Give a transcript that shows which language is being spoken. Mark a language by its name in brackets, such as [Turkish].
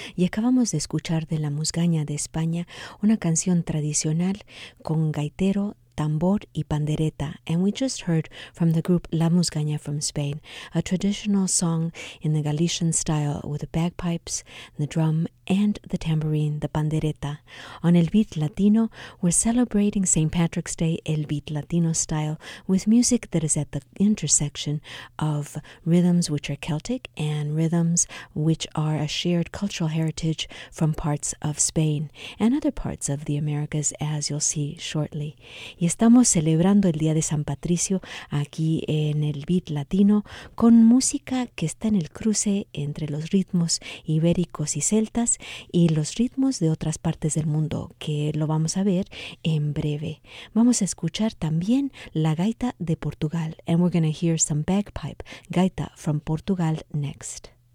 [Spanish] Y acabamos de escuchar de La Musgaña de España una canción tradicional con gaitero, tambor y pandereta. [English] And we just heard from the group La Musgaña from Spain, a traditional song in the Galician style with the bagpipes, the drum, and the tambourine, the pandereta. On El Beat Latino, we're celebrating St. Patrick's Day El Beat Latino style with music that is at the intersection of rhythms which are Celtic and rhythms which are a shared cultural heritage from parts of Spain and other parts of the Americas, as you'll see shortly. [Spanish] Y estamos celebrando el Día de San Patricio aquí en El Beat Latino con música que está en el cruce entre los ritmos ibéricos y celtas y los ritmos de otras partes del mundo, que lo vamos a ver en breve. Vamos a escuchar también la gaita de Portugal. [English] And we're going to hear some bagpipe, gaita from Portugal next.